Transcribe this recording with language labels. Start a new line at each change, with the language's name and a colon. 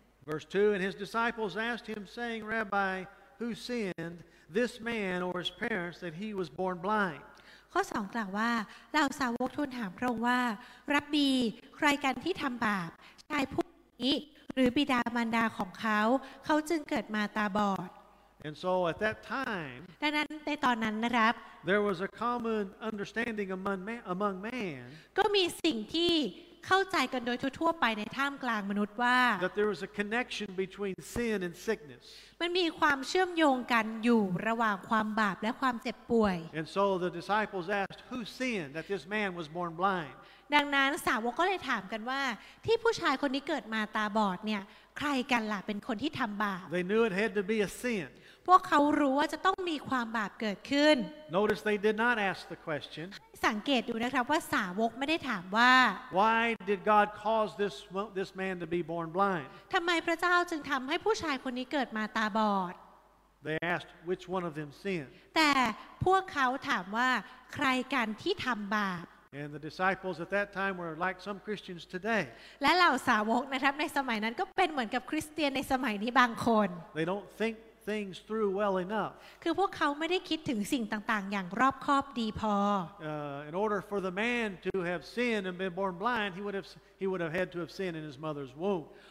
English: Verse 2, and his disciples asked him, saying, Rabbi, who sinned, this man or his parents, that he was born blind?
Thai: ข้อ2กล่าวว่าเหล่าสาวกทูลถามพระองค์ว่ารับบีใครกันที่ทำบาปชายผู้นี้หรือบิดามารดาของเขาจึงเกิดมาตาบอด
English: And so at that time,
Thai: ดังนั้นในตอนนั้นนะครับ
English: there was a common understanding among man,
Thai: ก็มีสิ่งที่เข้าใจกันโดยทั่วไปในท่ามกลางมนุษย์ว่า
English: That there was a connection between sin and sickness
Thai: มันมีความเชื่อมโยงกันอยู่ระหว่างความบาปและความเจ็บป่วย
English: And so the disciples asked who sinned that this man was born blind
Thai: ดังนั้นสาวกก็เลยถามกันว่าที่ผู้ชายคนนี้เกิดมาตาบอดเนี่ยใครกันล่ะเป็นคนที่ทำบาป
English: They knew it had to be a sin
Thai: พวกเขารู้ว่าจะต้องมีความบาปเกิดขึ้น
English: Notice they did not ask the question
Thai: สังเกตดูนะครับว่าสาวกไม่ได้ถามว่า
English: Why did God cause this man to be born blind
Thai: ทำไมพระเจ้าจึงทำให้ผู้ชายคนนี้เกิดมาตาบอด
English: They asked which one of them sinned
Thai: แต่พวกเขาถามว่าใครกันที่ทำบาป
English: And the disciples at that time were like some Christians today.
Thai: และเหล่าสาวกนะครับในสมัยนั้นก็เป็นเหมือนกับคริสเตียนในสมัยนี้บางคน
English: They don't think things through well enough.
Thai: คือพวกเขาไม่ได้คิดถึงสิ่งต่างๆอย่างรอบคอบดีพอ
English: In order for the man to have sinned and been born blind, he would have had to have sinned in his mother's womb.